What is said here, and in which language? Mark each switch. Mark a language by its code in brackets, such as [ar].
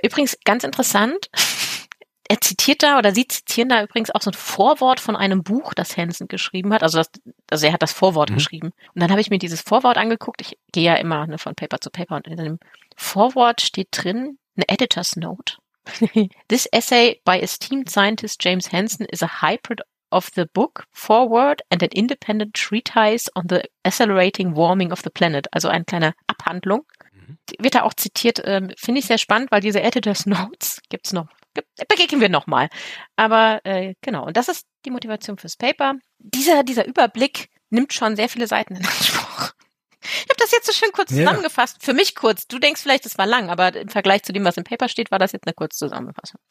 [de] Übrigens, ganz interessant, sie zitieren da übrigens auch so ein Vorwort von einem Buch, das Hansen geschrieben hat. Also er hat das Vorwort geschrieben. Und dann habe ich mir dieses Vorwort angeguckt. Ich gehe ja immer ne, von Paper zu Paper. Und in dem Vorwort steht drin, eine Editor's Note. [en] This essay by esteemed scientist James Hansen is a hybrid of the book Foreword and an independent treatise on the accelerating warming of the planet. [de] Also eine kleine Abhandlung. Wird da auch zitiert. Finde ich sehr spannend, weil diese Editor's Notes gibt's noch. Begegnen wir nochmal. Aber genau, und das ist die Motivation fürs Paper. Dieser Überblick nimmt schon sehr viele Seiten in Anspruch. Ich habe das jetzt so schön kurz zusammengefasst. Ja. Für mich kurz. Du denkst vielleicht, das war lang, aber im Vergleich zu dem, was im Paper steht, war das jetzt eine kurze Zusammenfassung.